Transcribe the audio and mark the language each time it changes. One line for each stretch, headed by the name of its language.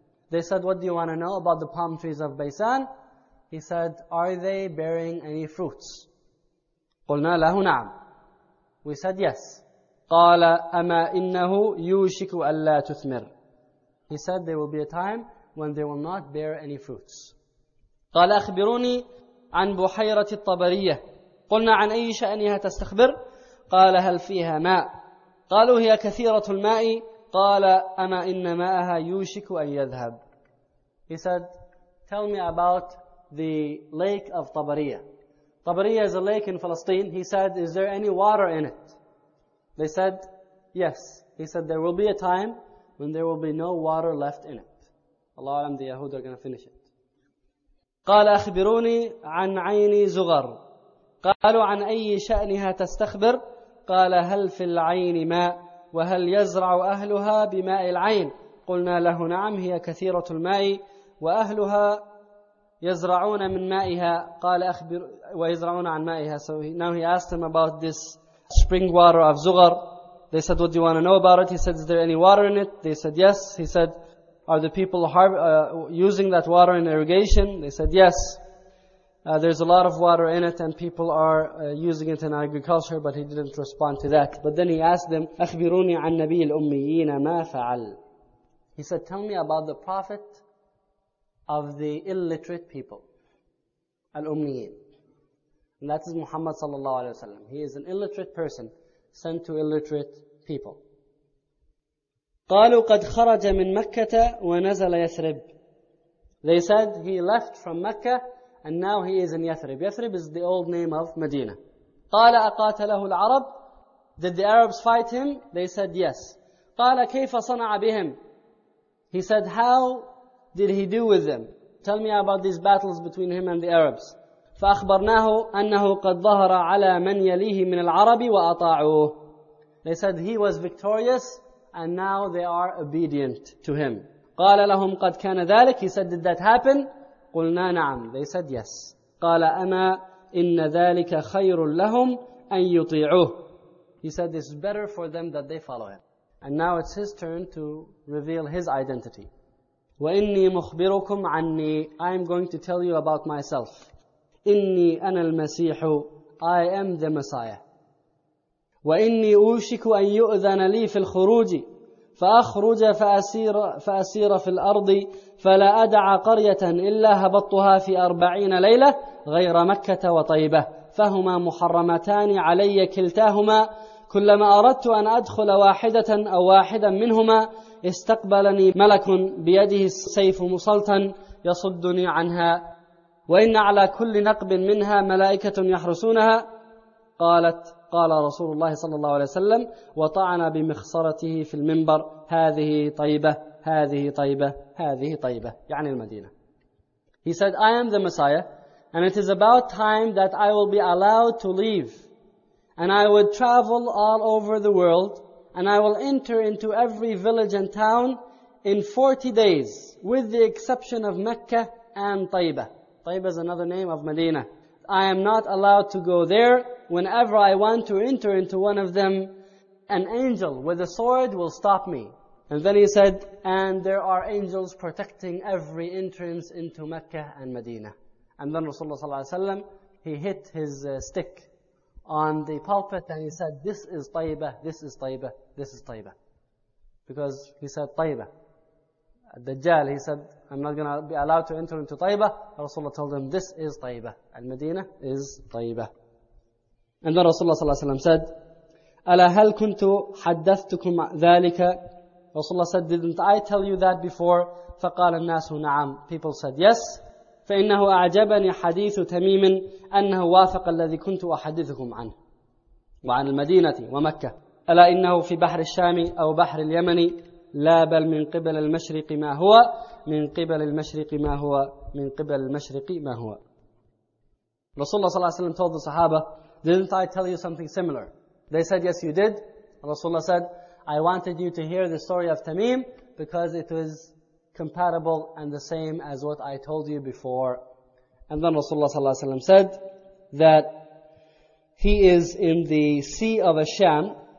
English: They said, what do you want to know about the palm trees of Baysan? He said, are they bearing any fruits?
Arabic: قُلْنَا لَهُ نَعْمْ.
English: We said, yes.
Arabic: قَالَ أَمَا إِنَّهُ يُوشِكُ أَلَّا تُثْمِرْ.
English: He said, there will be a time when they will not bear any fruits.
Arabic: قال أخبروني عن بحيرة الطبرية. قلنا عن أي شأنها تستخبر؟ قال هل فيها ماء؟ قالوا هي كثيرة الماء. قال أما إن ماءها يوشك أن يذهب.
English: He said, tell me about the lake of Tabariya. Tabariya is a lake in Palestine. He said, is there any water in it? They said, yes. He said there will be a time when there will be no water left in it. Allah Alam, the Yahud are going to finish it.
Arabic: قال أخبروني عن عيني زغر. قالوا عن أي شأنها تستخبر؟ قال هل في العين ماء؟ وهل يزرع أهلها بماء العين؟ قلنا له نعم هي كثيرة الماء وأهلها يزرعون من مائها. قال أخبر ويزرعون عن مائها.
English: So now he asked him about this spring water of Zughar. They said, "What do you want to know about it?" He said, "Is there any water in it?" They said, "Yes." He said, "Are the people using that water in irrigation?" They said, "Yes." There's a lot of water in it, and people are using it in agriculture. But he didn't respond to that. But then he asked them,
Arabic: "أخبروني عن نبي الأميين ما فعل."
English: He said, "Tell me about the Prophet of the illiterate people, al-Ummiyin." And that is Muhammad sallallahu alayhi wa sallam. He is an illiterate person sent to illiterate people.
Arabic: قالوا قد خرج من مكة ونزل يثرب.
English: They said he left from Mecca and now he is in Yathrib. Yathrib is the old name of Medina.
Arabic: قال أقاتله العرب.
English: Did the Arabs fight him? They said yes.
Arabic: قال كيف صنع بهم.
English: He said, "How did he do with them? Tell me about these battles between him and the Arabs."
Arabic: فأخبرناه أنه قد ظهر على من يليه من العرب وأطاعوه.
English: They said he was victorious and now they are obedient to him.
Arabic: قال لهم قد كان ذلك.
English: He said, "Did that happen?"
Arabic: قلنا نعم.
English: They said yes.
Arabic: قال أما إن ذلك خير لهم أن يطيعوه.
English: He said it's better for them that they follow him. And now it's his turn to reveal his identity.
Arabic: وإني مخبركم عني.
English: I'm going to tell you about myself.
Arabic: إني أنا المسيح.
English: I am the Messiah.
Arabic: وإني أوشك أن يؤذن لي في الخروج فأخرج فأسير في الأرض فلا أدع قرية إلا هبطتها في 40 ليلة غير مكة وطيبة فهما محرمتان علي كلتاهما كلما أردت أن أدخل واحدة أو واحدا منهما استقبلني ملك بيده السيف مسلطا يصدني عنها وإن على كل نقب منها ملائكة يحرسونها. قالت قال رسول الله صلى الله عليه وسلم وطعن بمخصرته في المنبر هذه طيبة هذه طيبة هذه طيبة يعني المدينة.
English: He said, "I am the Messiah and it is about time that I will be allowed to leave and I would travel all over the world and I will enter into every village and town in 40 days with the exception of Mecca and Taiba." Taiba is another name of Medina. "I am not allowed to go there. Whenever I want to enter into one of them, an angel with a sword will stop me." And then he said, "And there are angels protecting every entrance into Mecca and Medina." And then Rasulullah sallallahu alayhi wa sallam, he hit his stick on the pulpit and he said, "This is Taiba, this is Taiba, this is Taiba." Because he said Taiba. Dajjal, he said, "I'm not going to be allowed to enter into Taiba." Rasulullah told him, "This is Taiba. Al-Madina is Taiba." And then Rasulullah sallallahu alayhi wa sallam said,
Arabic: "Ala hal kuntu haddathtukum thalika?"
English: Rasulullah said, "Didn't I tell you that before?"
Arabic: فَقَالَ النَّاسُ نَعَمْ.
English: People said, "Yes."
Arabic: فإنه أعجبني حديث تميم أنه وافق الذي كنت أحدثكم عنه وعن المدينة ومكة ألا إنه في بحر الشام أو بحر اليمن لا بل من قبل المشرق ما هو من قبل المشرق ما هو من قبل المشرق ما هو. رسول الله صلى الله عليه وسلم
English: told the Sahaba, "Didn't I tell you something similar?" They said, "Yes, you did." Rasulullah said, "I wanted you to hear the story of Tamim because it was compatible and the same as what I told you before." And then Rasulullah sallallahu alayhi wa sallam said that he is in the Sea of Asham.